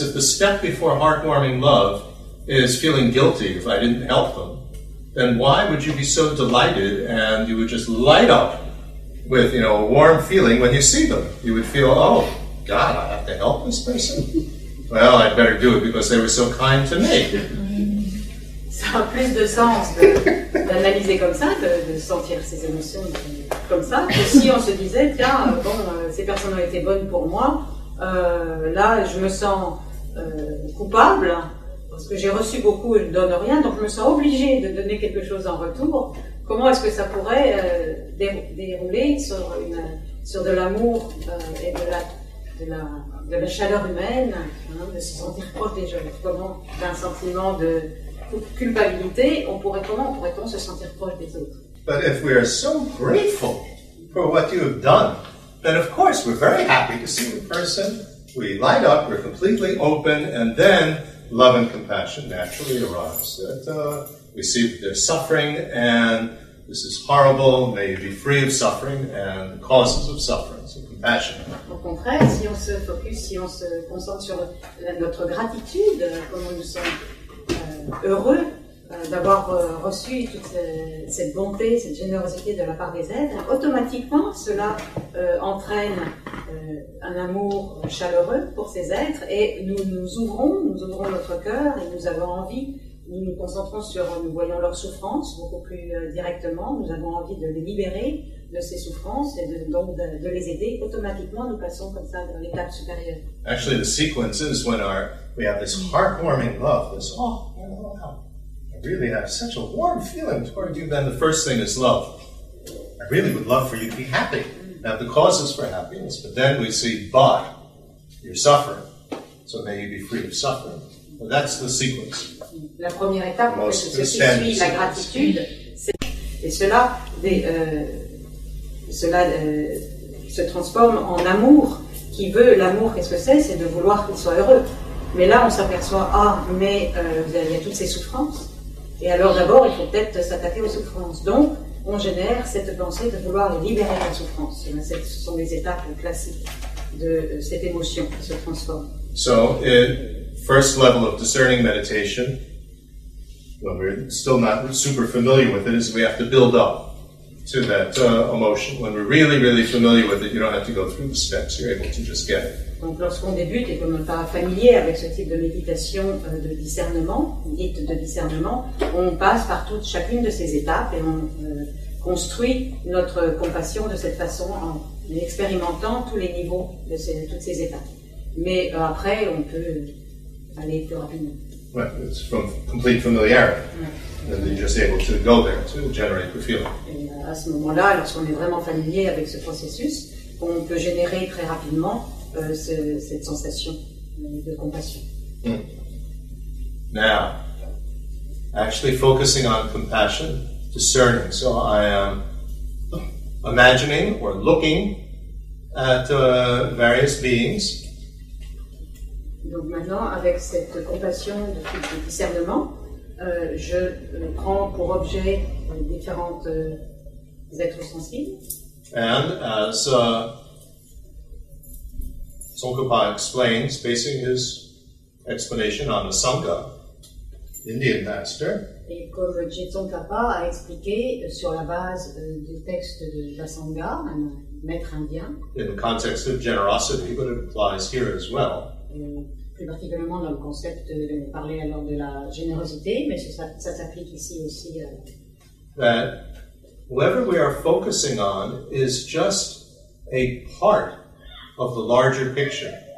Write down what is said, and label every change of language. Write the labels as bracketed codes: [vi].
[en] If the step before heartwarming love is feeling guilty if I didn't help them, then why would you be so delighted and you would just light up with, you know, a warm feeling when you see them? You would feel, oh, God, I have to help this person? Well, I'd better do it because they were so kind to me. [fr] Ça a plus de sens d'analyser comme ça, de sentir ces émotions comme ça, que si on se disait, tiens, bon, ces personnes ont été bonnes pour moi, là, je me sens coupable, parce que j'ai reçu beaucoup et je ne donne rien, donc je me sens obligée de donner quelque chose en retour. Comment est-ce que ça pourrait dérouler sur de l'amour et de la chaleur humaine, hein, de se sentir proche des gens? Comment, d'un sentiment de culpabilité, pourrait-on se sentir proche des autres? [en] But if we are so grateful for what you have done, then of course we're very happy to see the person. We light up, we're completely open, and then love and compassion naturally arrives. That we see that they're suffering, and this is horrible, may you be free of suffering and the causes of suffering. So compassion. [fr] Au contraire, si on se focus, si on se concentre sur notre gratitude, comment nous sommes heureux d'avoir reçu toute cette bonté, cette générosité de la part des êtres, automatiquement cela entraîne un amour chaleureux pour ces êtres et nous ouvrons notre cœur et nous avons envie nous nous concentrons sur, nous voyons leurs souffrances beaucoup plus directement, nous avons envie de les libérer de ces souffrances et de, donc de les aider, automatiquement nous passons comme ça dans l'étape supérieure. [en] Actually the sequence is when our, we have this heartwarming love, this, oh wow, I really have such a warm feeling toward you, then the first thing is love. I really would love for you to be happy. Now the cause is for happiness, but then we see, but you're suffering, so may you be free of suffering. Well, that's the sequence. [fr] La première étape, c'est ce qui suit la gratitude, c'est, et cela, des, cela se transforme en amour, qui veut l'amour, qu'est-ce que c'est? C'est de vouloir qu'il soit heureux. Mais là, on s'aperçoit, ah, mais il y a toutes ces souffrances, et alors d'abord, il faut peut-être s'attaquer aux souffrances. Donc, on génère cette pensée de vouloir libérer la souffrance. Ce sont les étapes classiques de cette émotion qui se transforme. [en] So, first level of discerning meditation, when we're still not super familiar with it, is we have to build up to that emotion. When we're really, really familiar with it, you don't have to go through the steps, you're able to just get it. [fr] Donc lorsqu'on débute et qu'on n'est pas familier avec ce type de méditation de discernement, dite de discernement, on passe par toutes, chacune de ces étapes et on construit notre compassion de cette façon en expérimentant tous les niveaux de ces, toutes ces étapes. Mais après, on peut aller plus rapidement. [en] Right, it's from complete familiarity, yeah. And then you're just able to go there to generate the feeling. [fr] Et à ce moment-là, lorsqu'on est vraiment familier avec ce processus, on peut générer très rapidement cette sensation de compassion. [en] Mm. Now, actually focusing on compassion, discerning. So I am imagining or looking at various beings. [fr] Donc maintenant, avec cette compassion de discernement, je prends pour objet différentes êtres sensibles. [en] And as Tsongkhapa explains, basing his explanation on the Sangha, Indian master. [fr] Et comme Tsongkhapa a expliqué sur la base du texte de la Sangha, un maître indien. [en] In the context of generosity, but it applies here as well. [fr] Plus particulièrement dans le concept de parler alors de la générosité, mais ça s'applique ici aussi. [en] That whatever we are focusing on is just a part of the larger picture.